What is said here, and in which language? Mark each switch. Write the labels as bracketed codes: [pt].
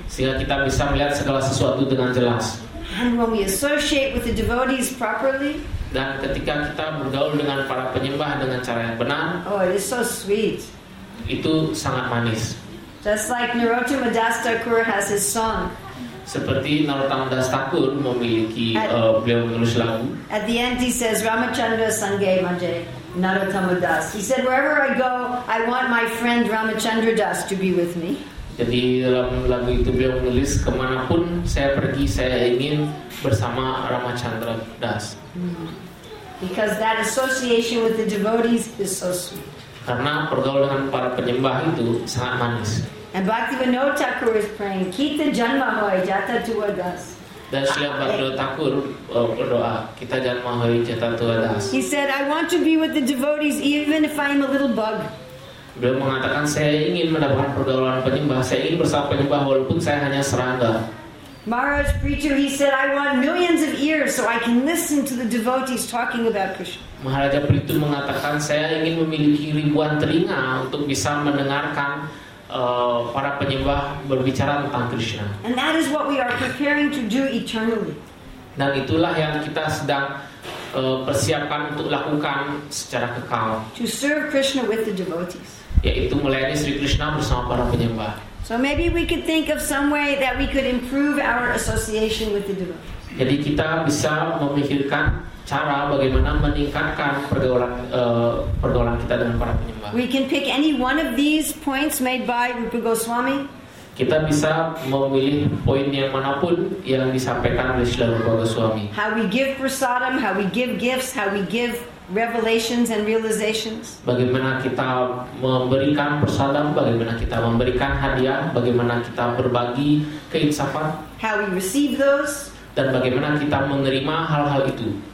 [id] Sehingga kita bisa melihat segala sesuatu dengan jelas. [en] And when we associate with the devotees properly, [id] dan ketika kita bergaul dengan para penyembah dengan cara yang benar, [en] oh, it is so sweet. [id] Itu sangat manis. [en] Just like Narottama Das Thakur has his song. [id] Seperti Narottama Das Thakur memiliki beliau menulis lagu. [en] At the end, he says, [bn] "Ramachandra Sange Maje Narottama Das." [en] He said, "Wherever I go, I want my friend Ramachandra Das to be with me." [id] Jadi dalam lagu itu beliau menulis kemanapun saya pergi saya ingin bersama Ramachandra Das. [en] Because that association with the devotees is so sweet. [id] Karena pergaulan dengan para penyembah itu sangat manis. [en] And Bhaktivinoda Thakur is praying, [bn] "Kita janma hoy jata tua das." [id] Dan Srila Bhaktivinoda Thakur berdoa, [bn] "Kita janma hoy jata tua das." [en] He said, "I want to be with the devotees even if I am a little bug." [id] Beliau mengatakan saya ingin mendapatkan pergaulan penyembah, saya ingin bersama penyembah walaupun saya hanya serangga. [en] Maharaj preacher, he said, "I want millions of ears so I can listen to the devotees talking about Krishna." [id] Maharaja Pritu mengatakan saya ingin memiliki ribuan telinga untuk bisa mendengarkan para penyembah berbicara tentang Krishna. [en] And that is what we are preparing to do eternally. [id] Dan itulah yang kita sedang persiapkan untuk lakukan secara kekal. [en] To serve Krishna with the devotees. [id] Yaitu melayani Sri Krishna bersama para penyembah. [en] So maybe we could think of some way that we could improve our association with the devotees. [id] Jadi kita bisa memikirkan cara bagaimana meningkatkan pergaulan kita dengan para penyembah. [en] We can pick any one of these points made by Rupa Goswami. [id] Kita bisa memilih poin yang manapun yang disampaikan oleh Srila Rupa Goswami. [en] How we give prasadam, how we give gifts, how we give revelations and realizations. [id] Bagaimana kita memberikan prasadam, bagaimana kita memberikan hadiah, bagaimana kita berbagi keinsafan. [en] How we receive those. [id] Dan bagaimana kita menerima hal-hal itu.